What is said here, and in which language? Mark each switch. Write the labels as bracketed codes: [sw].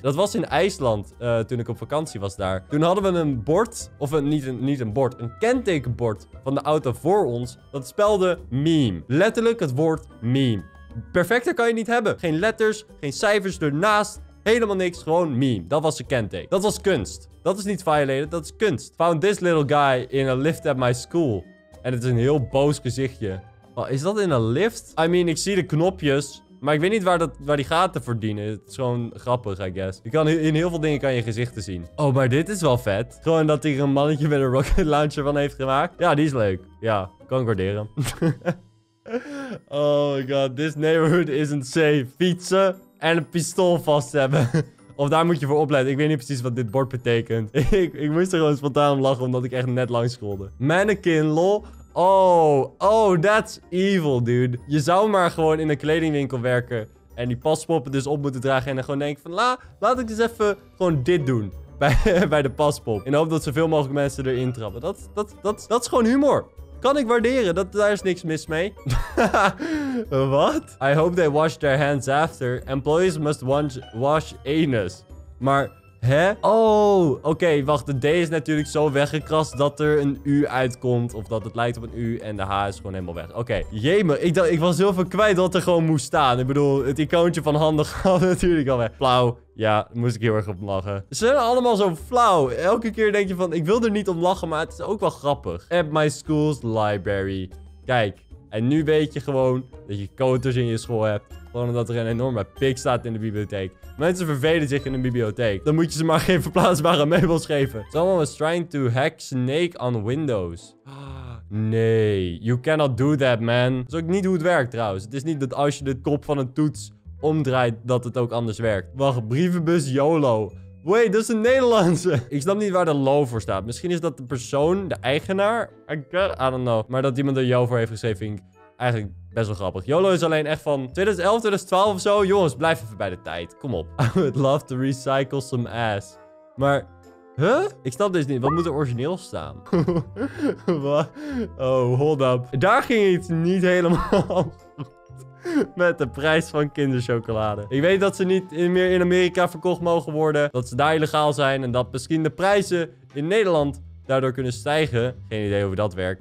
[nl] Dat was in IJsland, toen ik op vakantie was daar. Toen hadden we een bord, of niet een bord, een kentekenbord van de auto voor ons. Dat spelde meme. Letterlijk het woord meme. Perfecter kan je niet hebben. Geen letters, geen cijfers ernaast. Helemaal niks, gewoon meme. Dat was een kenteken. Dat was kunst. Dat is niet violated, dat is kunst. [en] Found this little guy in a lift at my school. [nl] En het is een heel boos gezichtje. Oh, is dat in een lift? [en] I mean, [nl] ik zie de knopjes. Maar ik weet niet waar die gaten verdienen. Het is gewoon grappig, [en] I guess. [nl] In heel veel dingen kan je gezichten zien. Oh, maar dit is wel vet. Gewoon dat hij er een mannetje met een rocket launcher van heeft gemaakt. Ja, die is leuk. Ja, kan ik waarderen. [en] Oh my god, this neighborhood isn't safe. [nl] Fietsen en een pistool vast hebben. Of daar moet je voor opletten. Ik weet niet precies wat dit bord betekent. Ik moest er gewoon spontaan om lachen, omdat ik echt net langs scrolde. [en] Mannequin, lol. Oh, that's evil, dude. [nl] Je zou maar gewoon in een kledingwinkel werken en die paspoppen dus op moeten dragen. En dan gewoon denken van, laat ik eens even gewoon dit doen bij de paspop. In de hoop dat zoveel mogelijk mensen erin trappen. Dat is gewoon humor. Kan ik waarderen. Daar is niks mis mee. Wat? [en] I hope they wash their hands after. Employees must wash anus. [nl] Maar, hè? Oh, oké, wacht. De D is natuurlijk zo weggekrast dat er een U uitkomt. Of dat het lijkt op een U en de H is gewoon helemaal weg. Oké, jemig. Ik was heel veel kwijt wat er gewoon moest staan. Ik bedoel, het icoontje van handen gaat natuurlijk al weg. Blauw. Ja, daar moest ik heel erg op lachen. Ze zijn allemaal zo flauw. Elke keer denk je van, ik wil er niet om lachen, maar het is ook wel grappig. [en] At my school's library. [nl] Kijk, en nu weet je gewoon dat je koters in je school hebt. Gewoon omdat er een enorme pik staat in de bibliotheek. Mensen vervelen zich in de bibliotheek. Dan moet je ze maar geen verplaatsbare meubels geven. [en] Someone was trying to hack Snake on Windows. [nl] Nee, [en] you cannot do that, man. [nl] Dat is ook niet hoe het werkt, trouwens. Het is niet dat als je de kop van een toets... omdraait dat het ook anders werkt. Wacht, brievenbus YOLO. Wait, dat is een Nederlandse. Ik snap niet waar de LO voor staat. Misschien is dat de persoon, de eigenaar. [en] I don't know. [nl] Maar dat iemand er YO voor heeft geschreven, vind ik eigenlijk best wel grappig. YOLO is alleen echt van 2011, 2012 of zo. Jongens, blijf even bij de tijd. Kom op. [en] I would love to recycle some ass. [nl] Maar, huh? Ik snap dit niet. Wat moet er origineel staan? Wat? [en] Oh, hold up. [nl] Daar ging iets niet helemaal... Met de prijs van kinderchocolade. Ik weet dat ze niet meer in Amerika verkocht mogen worden. Dat ze daar illegaal zijn. En dat misschien de prijzen in Nederland daardoor kunnen stijgen. Geen idee hoe dat werkt.